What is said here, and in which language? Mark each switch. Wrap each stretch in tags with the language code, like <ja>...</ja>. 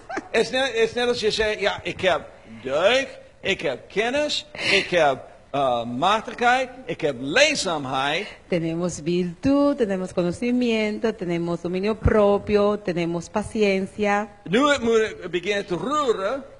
<nl>Es net als je zegt, ja, ik heb deug, ik heb kennis, ik heb matigheid, ik heb leerzaamheid.</nl> <es>Tenemos virtud, tenemos conocimiento, tenemos dominio propio, tenemos paciencia.</es> <nl>Nu het moet beginnen te roeren.</nl>